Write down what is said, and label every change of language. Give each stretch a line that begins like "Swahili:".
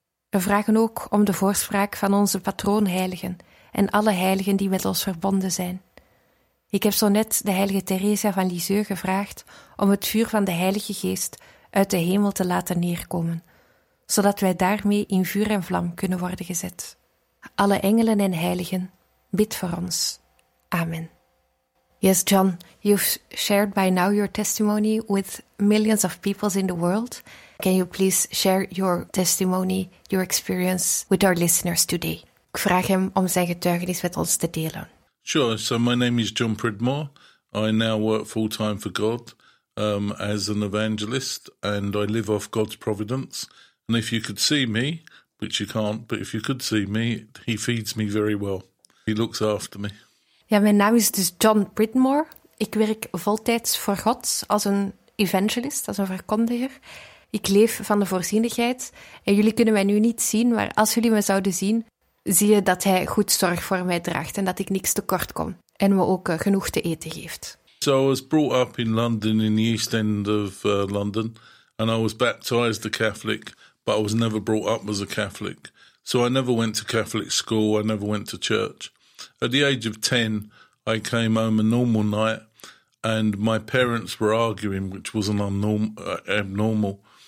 Dutch: We vragen ook om de voorspraak van onze patroonheiligen en alle heiligen die met ons verbonden zijn. Ik heb zo net de heilige Theresia van Lisieux gevraagd om het vuur van de Heilige Geest uit de hemel te laten neerkomen, zodat wij daarmee in vuur en vlam kunnen worden gezet. Alle engelen en heiligen, bid voor ons. Amen.
English: Yes, John, you've shared by now your testimony with millions of people in the world. Can you please share your testimony, your experience with our listeners today?
Dutch: Ik vraag hem om zijn getuigenis met ons te delen.
English: Sure. So my name is John Pridmore. I now work full-time for God as an evangelist, and I live off God's providence. And if you could see me, which you can't, but if you could see me, he feeds me very well. He looks after me.
Dutch: Ja, mijn naam is dus John Pridmore. Ik werk voltijds voor God als een evangelist, als een verkondiger. Ik leef van de voorzienigheid. En jullie kunnen mij nu niet zien, maar als jullie me zouden zien, zie je dat hij goed zorg voor mij draagt en dat ik niks tekort kom. En me ook genoeg te eten geeft.
English: So I was brought up in London, in the East End of London. And I was baptized a Catholic, but I was never brought up as a Catholic. So I never went to Catholic school, I never went to church. At the age of 10, I came home a normal night and my parents were arguing, which was an abnormal.